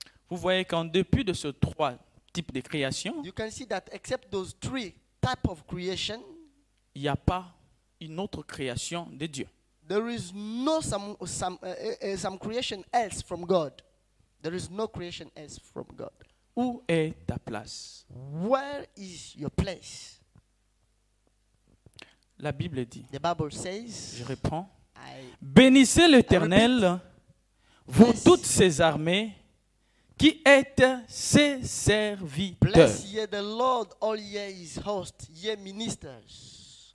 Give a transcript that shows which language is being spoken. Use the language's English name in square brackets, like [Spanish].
[French] Vous voyez qu'en dépit de ces trois types de création, [English] you can see that except those three type of creation, [French] il n'y a pas une autre création de Dieu. [English] There is no some creation else from God. There is no creation else from God. [French] Où est ta place? [English] Where is your place? [French] La Bible dit. [English] The Bible says. [French] Je réponds. Bénissez l'Éternel, vous toutes ses armées. Qui est ses serviteurs? [English] Bless ye the Lord, all ye his hosts, ye ministers.